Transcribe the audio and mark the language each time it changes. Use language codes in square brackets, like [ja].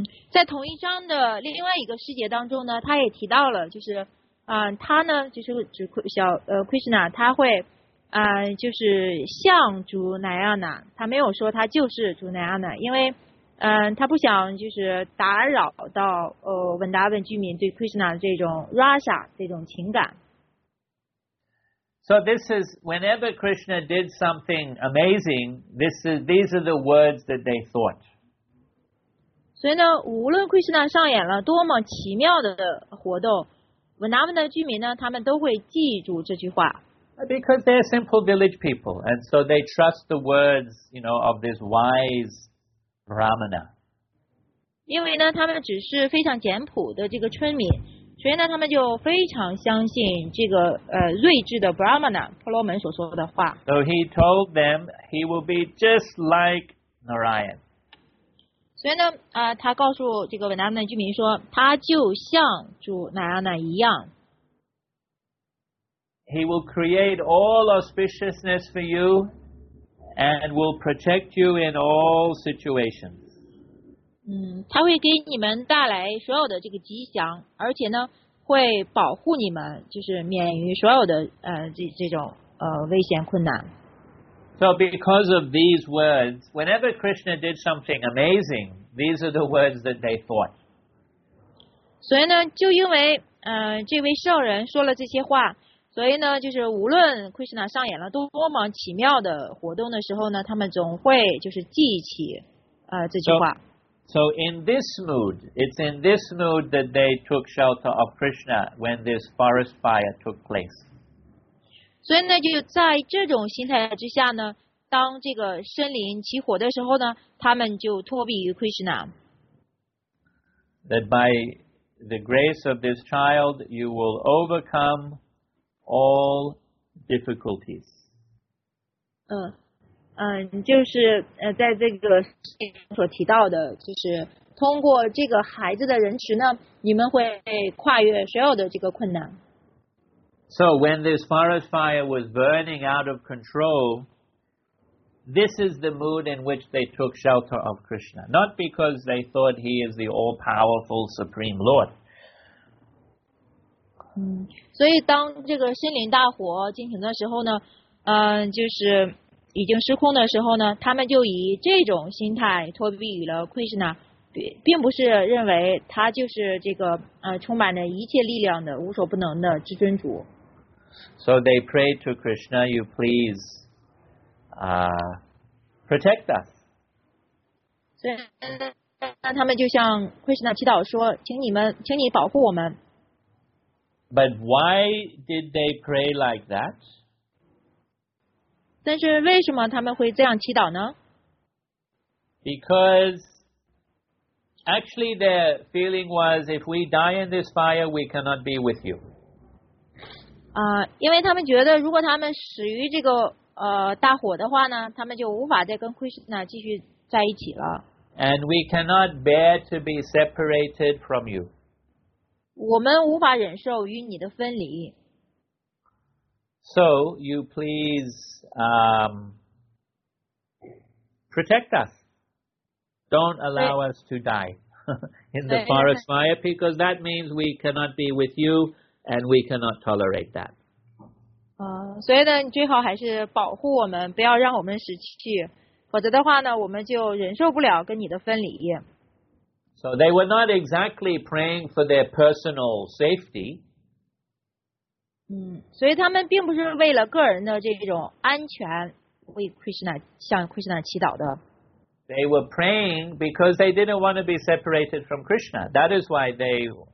[zh] 在同一章的另外一个世界当中呢，他也提到了，就是，他呢，就是指小Krishna， 他会，就是像主乃亚那，他没有说他就是主乃亚那，因为，他不想就是打扰到文达本居民对 Krishna 这种 rasa 这种情感。 [en] So this is whenever Krishna did something amazing, these are the words that they thought. [zh] 所以呢，无论奎斯纳上演了多么奇妙的活动，文达文的居民呢，他们都会记住这句话。 [en] Because they're simple village people, and so they trust the words, you know, of this wise Brahmana. [zh] 因为呢，他们只是非常简朴的这个村民，所以呢，他们就非常相信这个睿智的 Brahmana 婆罗门所说的话。 [en] So he told them he will be just like Narayan. [zh] 所以呢，他告诉这个文达的居民说，他就像主乃亚那一样。 [en] He will create all auspiciousness for you, and will protect you in all situations. [zh] 他会给你们带来所有的这个吉祥，而且呢，会保护你们，就是免于所有的这种危险困难。 [en] So because of these words, whenever Krishna did something amazing, these are the words that they thought. [zh] 所以呢，就因为这位圣人说了这些话，所以呢，就是无论 Krishna 上演了多么奇妙的活动的时候呢，他们总会就是记起这句话。 [en] So in this mood, it's in this mood that they took shelter of Krishna when this forest fire took place. [zh] 所以呢，就在这种心态之下呢，当这个森林起火的时候呢，他们就托庇于 Krishna。 [en] That by the grace of this child, you will overcome all difficulties. [zh] 就是在这个所提到的，就是通过这个孩子的仁慈呢，你们会跨越所有的这个困难。 [en] So when this forest fire was burning out of control, this is the mood in which they took shelter of Krishna. Not because they thought he is the all-powerful Supreme Lord. [zh] 所以当这个森林大火进行的时候呢，就是已经失控的时候呢，他们就以这种心态托庇于了 Krishna， 并不是认为他就是这个充满了一切力量的无所不能的至尊主。 [en] So they prayed to Krishna, you please protect us. [zh] So, 他们就向 Krishna 祈祷说，请你保护我们。 [en] But why did they pray like that? [zh] 但是为什么他们会这样祈祷呢？ [en] Because actually their feeling was, if we die in this fire, we cannot be with you. [zh] 因为他们觉得如果他们死于这个大火的话呢，他们就无法再跟 Krishna 继续在一起了。 [en] And we cannot bear to be separated from you. [zh] 我们无法忍受与你的分离。 [en] So you please protect us. Don't allow us to die in the forest fire because that means we cannot be with you. And we cannot tolerate that. [zh] 所以呢，你最好还是保护我们，不要让我们死去，否则的话呢，我们就忍受不了跟你的分离。 [en] So they were not exactly praying for their personal safety. [zh] 所以他们并不是为了个人的这种安全为 Krishna 向 Krishna 祈祷的。 [en] They were praying because they didn't want to be separated from Krishna. That is why they.